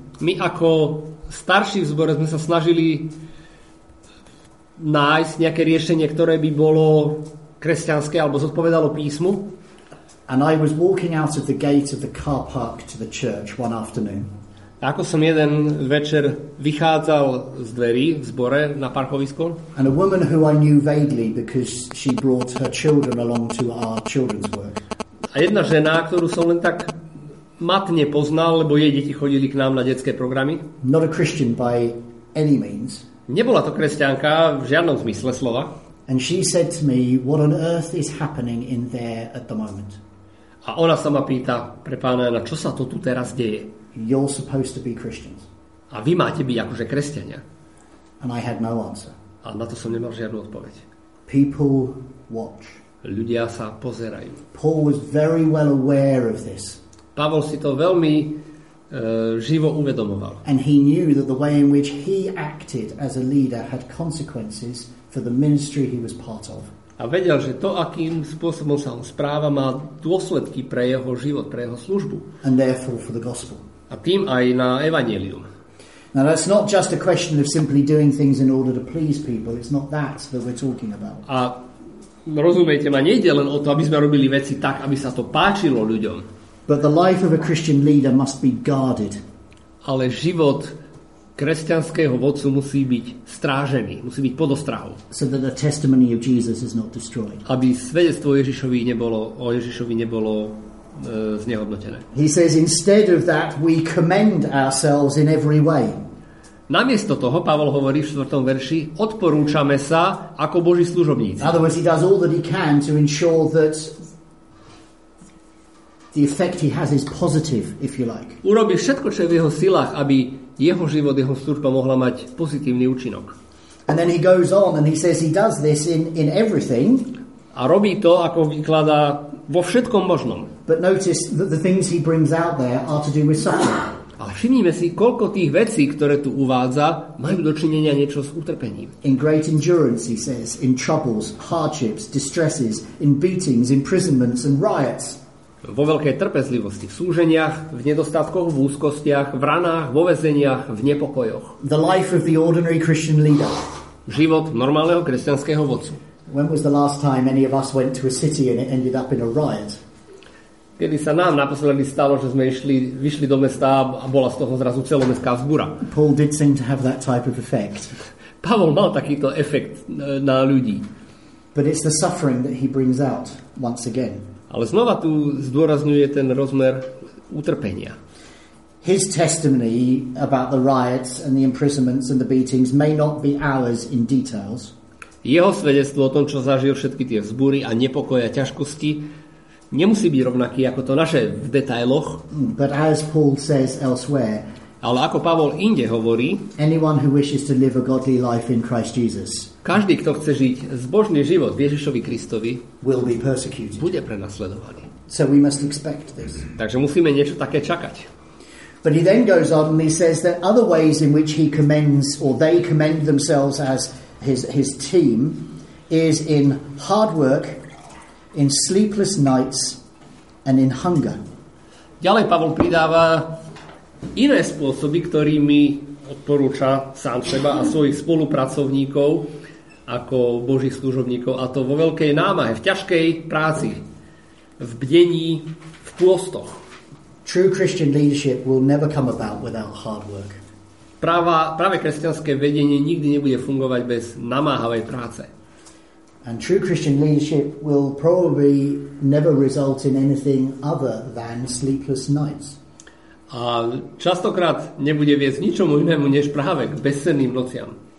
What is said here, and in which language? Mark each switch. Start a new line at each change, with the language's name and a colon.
Slovak: My ako starší v zbore sme sa snažili nájsť nejaké riešenie, ktoré by bolo kresťanské alebo zodpovedalo písmu.
English: And I was walking out of the gate of the car park to the church one afternoon.
Slovak: Ako som jeden večer vychádzal z dverí v zbore na parkovisko.
English: And a woman who I knew vaguely because she brought her children along to our children's work.
Slovak: A jedna žena, ktorú som len tak matne poznal, lebo jej deti chodili k nám na detské programy.
English: Not a Christian by any means.
Slovak: Nebola to kresťanka v žiadnom zmysle slova.
English: And she said to me, what on earth is happening in there at the moment?
Slovak: A ona sa ma pýta, pre pána Jana, čo sa to tu teraz deje?
English: You're supposed to be Christians.
Slovak: A vy máte byť akože kresťania.
English: And I had no answer.
Slovak: A na to som nemal žiadnu odpoveď.
English: People watch.
Slovak: Ľudia sa pozerajú.
English: Paul was very well aware of this.
Slovak: Pavol si to veľmi živo uvedomoval.
English: And he knew that the way in which he acted as a leader had consequences for the ministry he was part of.
Slovak: A vedel, že to, akým spôsobom sa on správa, má dôsledky pre jeho život, pre jeho službu.
English: And therefore for the gospel.
Slovak: A tým aj na evanjelium.
English: Now that's not just a question of simply doing things in order to please people. It's not that that we're talking about.
Slovak: A rozumiete ma, nejde len o to, aby sme robili veci tak, aby sa to páčilo ľuďom.
English: But the life of a Christian leader must be guarded.
Slovak: Ale život kresťanského vodcu musí byť strážený, musí byť pod ostrahou.
English: So that the testimony of Jesus is not destroyed.
Slovak: Aby svedectvo o Ježišovi nebolo znehodnotené.
English: He says instead of that we commend ourselves in every way.
Slovak: Namiesto toho Pavol hovorí v 4. verši, odporúčame sa ako Boží služobníci.
English: In other words, he does all that he can to ensure that the effect he has is positive, if you like.
Slovak: Urobí všetko, čo je v jeho silách, aby jeho život, jeho služba mohla mať pozitívny účinok.
English: And then he goes on and he says he does this in everything.
Slovak: A robí to, ako vykladá, vo všetkom možnom.
English: But notice that the things he brings out there are to do with suffering.
Slovak: A všimnime si, koľko tých vecí, ktoré tu uvádza, majú dočinenia niečo s utrpením.
English: In great endurance, he says, in troubles, hardships, distresses, in beatings, imprisonments and riots.
Slovak: Vo veľkej trpezlivosti, v súženiach, v nedostatkoch, v úzkostiach, v ranách, vo väzeniach, v nepokojoch.
English: The life of the ordinary Christian leader.
Slovak: Život normálneho kresťanského vodcu.
English: When was the last time any of us went to a city and it ended up in a riot?
Slovak: Kedy sa nám naposledy stalo, že sme vyšli do mesta a bola z toho zrazu celomestská vzbúra.
English: Paul did seem to have that type of effect.
Slovak: Pavol mal takýto efekt na ľudí.
English: But it's the suffering that he brings out once again.
Slovak: Ale znova tu zdôrazňuje ten rozmer utrpenia.
English: His testimony about the riots and the imprisonments and the beatings may not be ours in details.
Slovak: Jeho svedectvo o tom, čo zažil všetky tie vzbúry a nepokoje a ťažkosti, nemusí byť rovnaký ako to naše v detailoch.
English: But as Paul says elsewhere,
Slovak: ale ako Pavol inde hovorí,
English: anyone who wishes to live a godly life in Christ Jesus,
Slovak: každý, kto chce žiť zbožný život v Ježišovi Kristovi,
English: will be persecuted,
Slovak: bude prenasledovaný.
English: So we must expect this.
Slovak: Takže musíme niečo také čakať.
English: But he then goes on and he says that other ways in which he commends or they commend themselves as his team is in hard work, in sleepless nights and in hunger.
Slovak: Ďalej Pavol pridáva iné spôsoby, ktorými odporúča sám seba a svojich spolupracovníkov ako Božích služobníkov, a to vo veľkej námahe, v ťažkej práci, v bdení, v pôstoch.
English: True Christian leadership will never come about without hard work.
Slovak: Práve kresťanské vedenie nikdy nebude fungovať bez namáhavej práce.
English: And true Christian leadership will probably never result in anything other than sleepless nights.
Slovak: A častokrát nebude viesť ničomu inému než práve k bezsenným nociam.